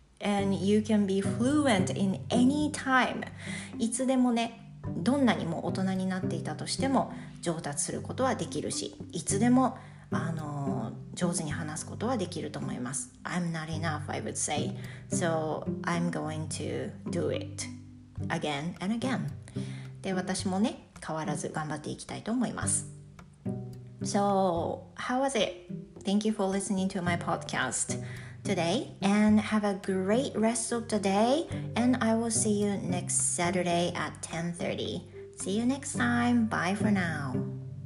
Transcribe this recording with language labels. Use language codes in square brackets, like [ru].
[en] And you can be fluent in any time. [ja] いつでもね、どんなにも大人になっていたとしても上達することはできるし、いつでも上手に話すことはできると思います。 [en] I'm not enough, I would say. So I'm going to do it again and again. [ja] で、私もね、変わらず頑張っていきたいと思います。 [en] So, how was it? Thank you for listening to my podcast today. And have a great rest of the day. And I will see you next Saturday at 10:30. See you next time. Bye for now.